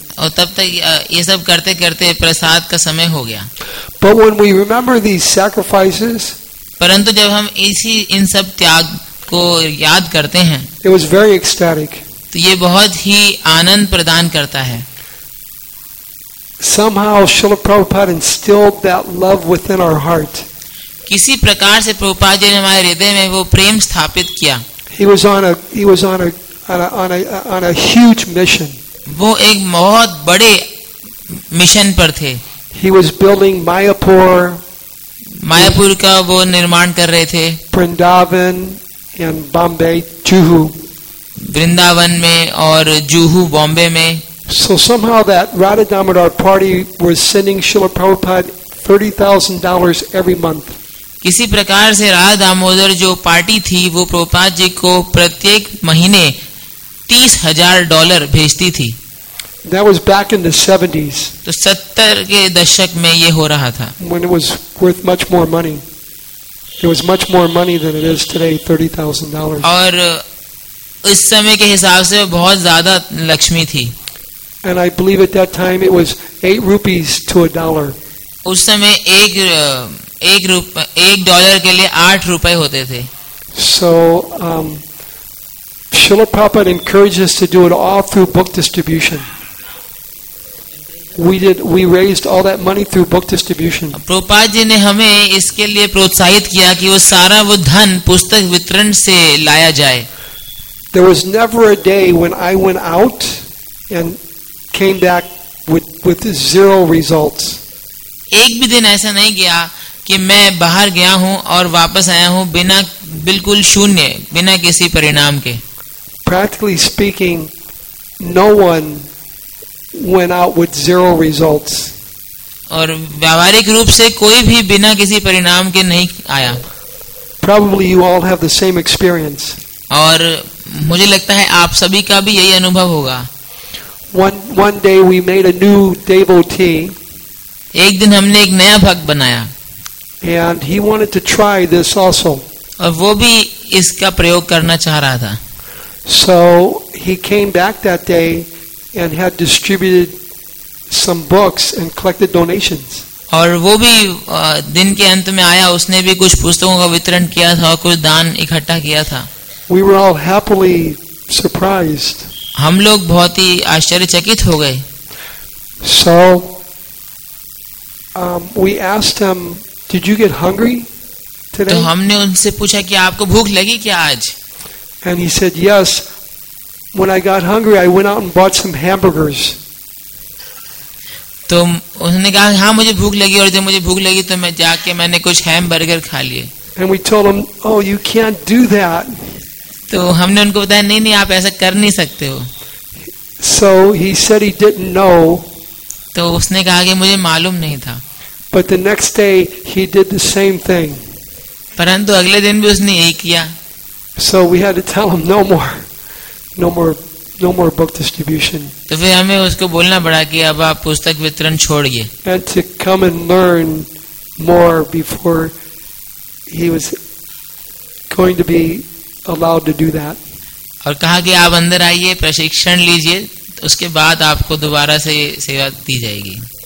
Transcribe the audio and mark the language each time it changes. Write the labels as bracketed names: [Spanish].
[Hindi] और तब तक ये सब करते करते प्रसाद का समय हो गया. [English] But when we remember these sacrifices, [Hindi] परंतु जब हम इसी इन सब त्याग को याद करते हैं, [English] it was very ecstatic. [Hindi] तो ये बहुत ही आनंद प्रदान करता है. [English] Somehow Srila Prabhupada instilled that love within our heart. [Hindi] किसी प्रकार से प्रभुपाद जी ने हमारे हृदय में वो प्रेम स्थापित किया. [English] He was on a huge mission. [Hindi] वो एक बहुत बड़े मिशन पर थे. [English] He was building Mayapur. [Hindi] Mayapur का वो निर्माण कर रहे थे. [English] Vrindavan and Bombay, Juhu. [Hindi] Vrindavan में और जुहू बॉम्बे में. [English] So somehow that Radha Damodar party was sending Srila Prabhupada $30,000 every month. [Hindi] किसी प्रकार से राधा दामोदर जो पार्टी थी वो प्रभुपाद जी को प्रत्येक महीने $30,000 भेजती थी. [English] That was back in the 70s. [Hindi] तो 70 के दशक में ये हो रहा था. [English] When it was worth much more money. It was much more money than it is today, $30,000. [Hindi] और उस समय के हिसाब से बहुत ज्यादा लक्ष्मी थी. [English] And I believe at that time it was 8 rupees to a dollar. [Hindi] उस समय एक डॉलर के लिए 8 रुपए होते थे. [English] So Srila Prabhupada encouraged us to do it all through book distribution. We raised all that money through book distribution. [Hindi] Prabhupada ji ने हमें इसके लिए प्रोत्साहित किया कि वो सारा वो धन पुस्तक वितरण से लाया जाए. [English] There was never a day when I went out and came back with zero results. [Hindi] एक भी दिन ऐसा नहीं गया कि मैं बाहर गया हूँ और वापस आया हूँ बिना बिल्कुल शून्य बिना किसी परिणाम के. [English] Practically speaking, no one went out with zero results. [Hindi] और व्यावहारिक रूप से कोई भी बिना किसी परिणाम के नहीं आया. [English] Probably you all have the same experience. [Hindi] और मुझे लगता है आप सभी का भी यही अनुभव होगा. [English] One day we made a new devotee. [Hindi] एक दिन हमने एक नया भक्त बनाया. [English] And he wanted to try this also. [Hindi] और वो भी इसका प्रयोग करना चाह रहा था. [English] So he came back that day and had distributed some books and collected donations. [Hindi] और वो भी दिन के अंत में आया. उसने भी कुछ पुस्तकों का वितरण किया था और कुछ दान इकट्ठा किया था. [English] We were all happily surprised. [Hindi] हम लोग बहुत ही आश्चर्यचकित हो गए. [English] So we asked him, "Did you get hungry today?" [Hindi] तो हमने उनसे पूछा कि आपको भूख लगी क्या आज? [English] And he said, "Yes. When I got hungry, I went out and bought some hamburgers." [Hindi] तो उन्होंने कहा, हाँ मुझे भूख लगी और जब मुझे भूख लगी तो मैं जाके मैंने कुछ हैमबर्गर खा लिए. [English] And we told him, "Oh, you can't do that." [Hindi] तो हमने उनको बताया, नहीं नहीं आप ऐसा कर नहीं सकते हो. [English] So he said he didn't know. [Hindi] तो उसने कहा कि मुझे मालूम नहीं था. [English] But the next day he did the same thing. [Hindi] परंतु अगले दिन भी उसने यही किया. [English] So we had to tell him no more book distribution. [Hindi] तो फिर हमें उसको बोलना पड़ा कि अब आप पुस्तक वितरण छोड़िए. [English] And to come and learn more before he was going to be allowed to do that. [Hindi] और कहा कि आप अंदर आइए प्रशिक्षण लीजिए उसके बाद आपको दोबारा से सेवा दी जाएगी.